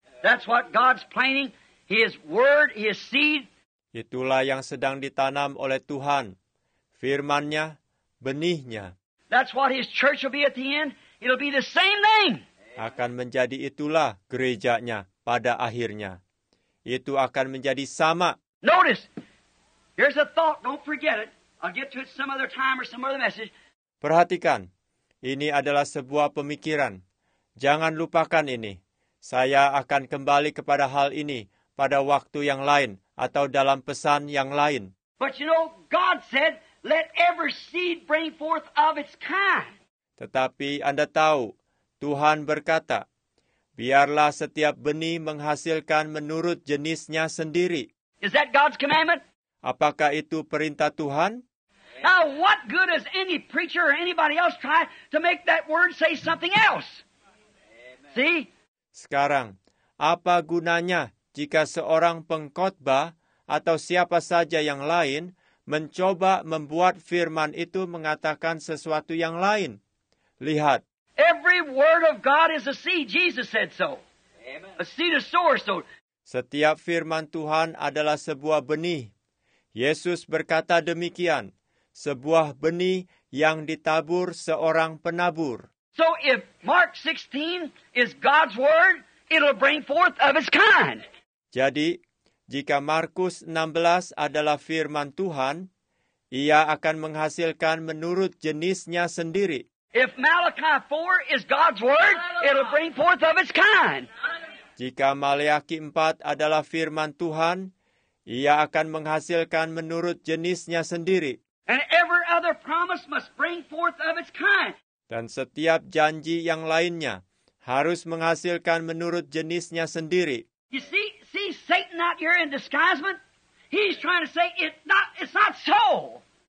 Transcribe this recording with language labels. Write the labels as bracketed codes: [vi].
[en] That's what God's planting, His word, His seed. [id] Itulah yang sedang ditanam oleh Tuhan, firman-Nya, benih-Nya. [en] That's what His church will be at the end. It'll be the same thing. [id] Akan menjadi itulah gereja-Nya pada akhirnya. Itu akan menjadi sama. [en] Notice, here's a thought, don't forget it. I'll get to it some other time or some other message. [id] Perhatikan, ini adalah sebuah pemikiran. Jangan lupakan ini. Saya akan kembali kepada hal ini pada waktu yang lain atau dalam pesan yang lain. [en] But you know, God said, let every seed bring forth of its kind. [id] Tetapi Anda tahu, Tuhan berkata, biarlah setiap benih menghasilkan menurut jenisnya sendiri. [en] Is that God's commandment? [id] Apakah itu perintah Tuhan? [en] Now, what good is any preacher or anybody else try to make that word say something else? See? [id] Sekarang, apa gunanya jika seorang pengkhotbah atau siapa saja yang lain mencoba membuat firman itu mengatakan sesuatu yang lain? Lihat. [en] Every word of God is a seed. Jesus said so. Amen. A seed is sower, so. [id] Setiap firman Tuhan adalah sebuah benih. Yesus berkata demikian. Sebuah benih yang ditabur seorang penabur. [en] So if Mark 16 is God's word, it'll bring forth of its kind. [id] Jadi, jika Markus 16 adalah firman Tuhan, ia akan menghasilkan menurut jenisnya sendiri. [en] If Malachi 4 is God's word, it'll bring forth of its kind. [id] Jika Maleakhi 4 adalah firman Tuhan, ia akan menghasilkan menurut jenisnya sendiri. [en] And every other promise must bring forth of its kind. [id] Dan setiap janji yang lainnya harus menghasilkan menurut jenisnya sendiri. [en] You see Satan out here in disguisement? He's trying to say it's not so.